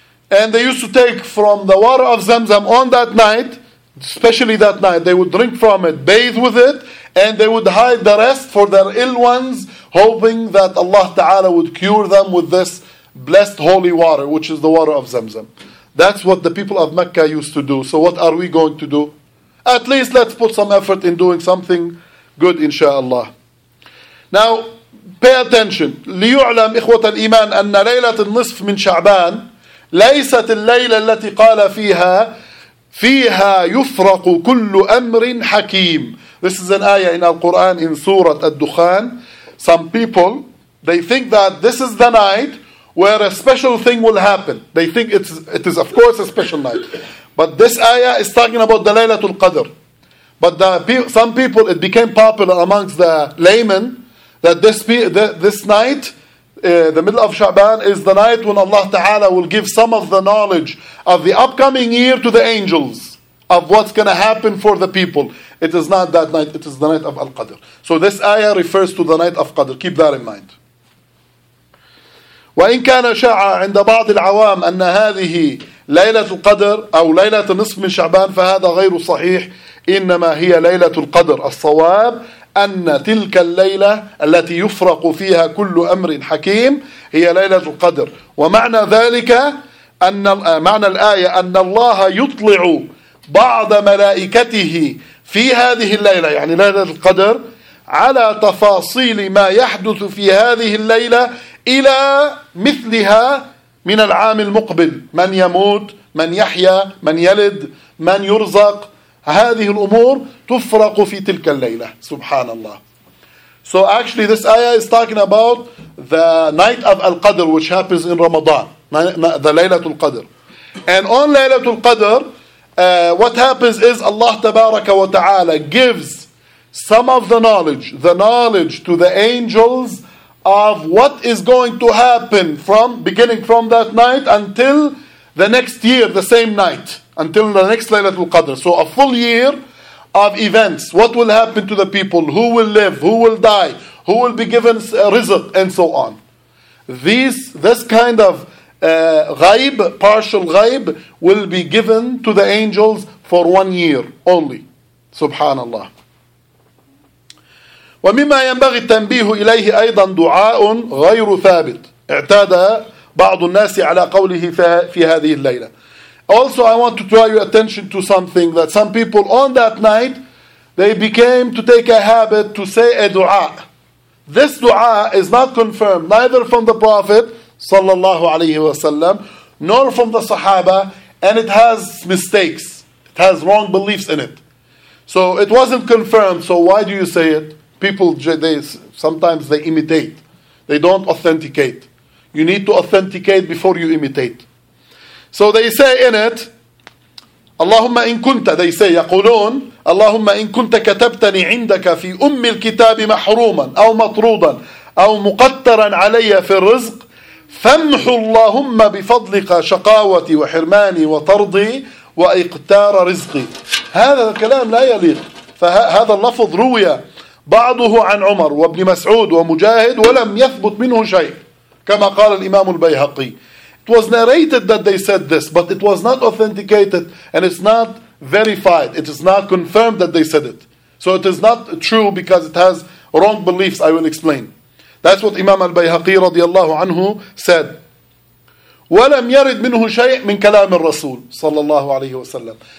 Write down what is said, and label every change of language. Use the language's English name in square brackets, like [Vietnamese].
[English] And they used to take from the water of Zamzam on that night, especially that night, they would drink from it, bathe with it, and they would hide the rest for their ill ones, hoping that Allah Ta'ala would cure them with this blessed holy water, which is the water of Zamzam. That's what the people of Mecca used to do. So what are we going to do? At least let's put some effort in doing something good, inshallah. Now, pay attention. [Arabic] لِيُعْلَمْ إِخْوَةَ الْإِيمَانِ أَنَّ لَيْلَةَ النِّصْفِ مِنْ شَعْبَانِ ليست الليلة التي قال فيها فيها يفرق كل أمر حكيم. [English] This is an ayah in Al-Quran in Surah Al-Dukhan. Some people, they think that this is the night where a special thing will happen. They think it is of course a special night. But this ayah is talking about the Laylatul Qadr. But some people, it became popular amongst the laymen that this night, the middle of Sha'ban, is the night when Allah Ta'ala will give some of the knowledge of the upcoming year to the angels of what's going to happen for the people. It is not that night. It is the night of Al-Qadr. So this ayah refers to the night of Qadr. Keep that in mind. [Arabic] وَإِنْ كَانَ شَعَى عِنْدَ بَعْضِ الْعَوَامِ أَنَّ هَذِهِ لَيْلَةُ الْقَدْرِ أَوْ لَيْلَةُ نِصْفِ مِنْ شَعْبَانِ فَهَذَا غَيْرُ صَحِيحِ إِنَّمَا هِيَ لَيْلَةُ الْقَدْرِ الصَّوَابِ أن تلك الليلة التي يفرق فيها كل أمر حكيم هي ليلة القدر ومعنى ذلك أن معنى الآية أن الله يطلع بعض ملائكته في هذه الليلة يعني ليلة القدر على تفاصيل ما يحدث في هذه الليلة إلى مثلها من العام المقبل من يموت من يحيى من يلد من يرزق هذه الأمور تفرق في تلك الليلة سبحان الله. [English] So actually this ayah is talking about the night of Al-Qadr which happens in Ramadan, the Laylatul Qadr. And on Laylatul Qadr, what happens is Allah Tabaraka wa Ta'ala gives some of the knowledge to the angels of what is going to happen from beginning from that night until the next year, the same night, until the next Laylatul Qadr. So a full year of events, what will happen to the people, who will live, who will die, who will be given rizq, and so on. This kind of ghaib, partial ghaib, will be given to the angels for 1 year only. Subhanallah. [Arabic] ومما ينبغي التنبيه إليه أيضا دعاء غير ثابت اعتاد بعض الناس على قوله في هذه الليلة. [English] Also, I want to draw your attention to something that some people on that night, they became to take a habit to say a dua. This dua is not confirmed neither from the Prophet sallallahu alayhi wa sallam nor from the Sahaba, and it has mistakes. It has wrong beliefs in it. So it wasn't confirmed. So why do you say it? People, sometimes they imitate. They don't authenticate. You need to authenticate before you imitate. So they say in it, [Arabic] Allahumma in kunta, [English] they say, [Arabic] yaqulun, Allahumma in kunta katabtani indaka fi ummi al-kitabi mahruman, aw matrudan, aw muqattaran alayya fi rizq, famhu Allahumma bifadlika shakawati wa hirmani wa tardi wa iqtara rizqi. هذا الكلام لا يليق. فهذا اللفظ روية بعضه عن عمر وابن مسعود ومجاهد ولم يثبت منه شيء كما قال الإمام البيهقي. [English] It was narrated that they said this, but it was not authenticated and it's not verified. It is not confirmed that they said it. So it is not true because it has wrong beliefs. I will explain. That's what Imam al-Bayhaqi [Arabic] رضي الله عنه [English] said. [Arabic] ولم يرد منه شيء من كلام الرسول صلى الله عليه وسلم.